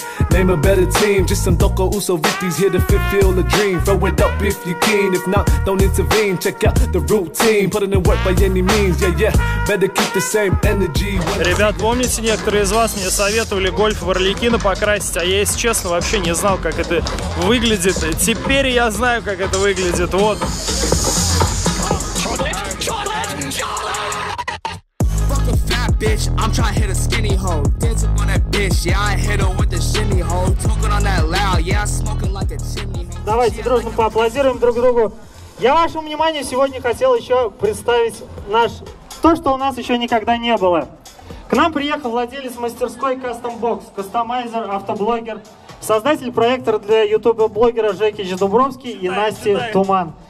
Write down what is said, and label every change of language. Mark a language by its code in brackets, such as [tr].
[en] Name a better team, just some Doko Uso VPs here to fulfill the dream. Throw it up if you keen, if not, don't intervene. Check out the routine, put it in work by any means. Yeah, better keep the same energy. [ru] Ребят, помните, некоторые из вас мне советовали гольф в Орликино покрасить, а я, если честно, вообще не знал, как это выглядит. Теперь я знаю, как это выглядит, вот. [en] Bitch, I'm trying to hit a skinny hoe. Dance up on that bitch, yeah, I hit her with the shimmy hoe. Talking on that loud, yeah, smoking like a chimney. [ru] Давайте дружно поаплодируем друг другу. Я вашему вниманию сегодня хотел еще представить наш... То, что у нас еще никогда не было. К нам приехал владелец мастерской Custom Box, кастомайзер, автоблогер, создатель проектора для ютуба-блогера Жекич Дубровский и Насти Туман.